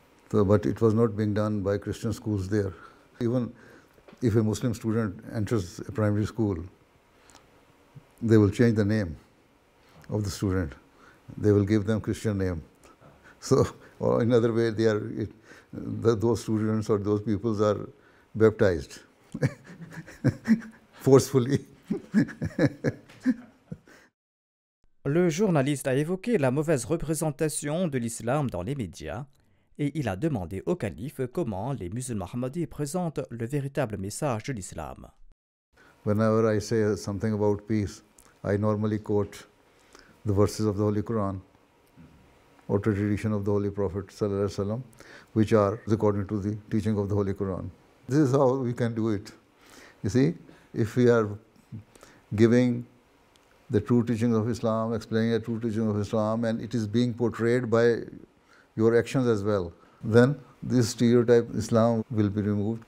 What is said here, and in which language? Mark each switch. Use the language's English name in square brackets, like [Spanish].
[English] So, but it was not being done by Christian schools there. Even if a Muslim student enters a primary school, they will change the name of the student. They will give them Christian name. So, or another way, they are those students or those peoples are baptized forcefully. [French] Le journaliste a évoqué la mauvaise représentation de l'islam dans les médias et il a demandé au calife comment les musulmans Ahmadis présentent le véritable message de l'islam. [English] Whenever I say something about peace, I normally quote the verses of the Holy Quran or the tradition of the Holy Prophet sallallahu alaihi wasallam, which are according to the teaching of the Holy Quran. This is how we can do it. You see, if we are giving the true teaching of Islam, explaining the true teaching of Islam, and it is being portrayed by your actions as well, then this stereotype Islam will be removed.